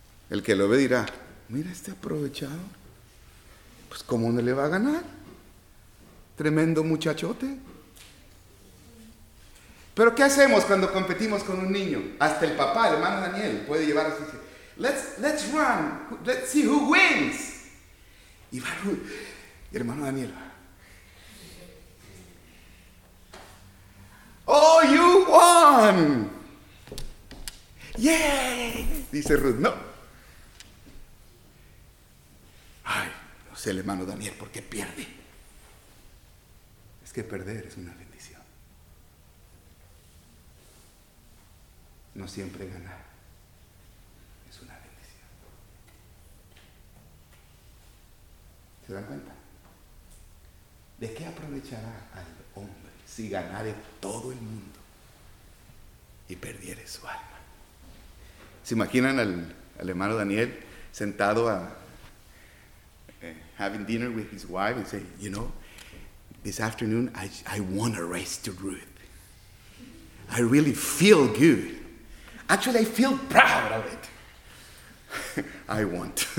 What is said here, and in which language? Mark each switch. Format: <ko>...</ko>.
<es>El que lo ve dirá, mira este aprovechado. Pues ¿cómo no le va a ganar? Tremendo muchachote. Pero ¿qué hacemos cuando competimos con un niño? Hasta el papá, el hermano Daniel, puede llevar a su hijo.</es> <en>Let's run, let's see who wins.</en> <es>Y va Ruth, y hermano Daniel.</es> <en>Oh, you won. Yay.</en> <es>Dice Ruth, no. Ay, no sé, el hermano Daniel, ¿por qué pierde? Es que perder es una bendición. No siempre ganar. ¿Se dan cuenta? ¿De qué aprovechará al hombre si ganare todo el mundo y perdiere su alma? ¿Se imaginan al hermano Daniel sentado a</es> <en>having dinner with his wife and say, you know, this afternoon I won a race to Ruth. I really feel good. Actually, I feel proud of it. I won.</en>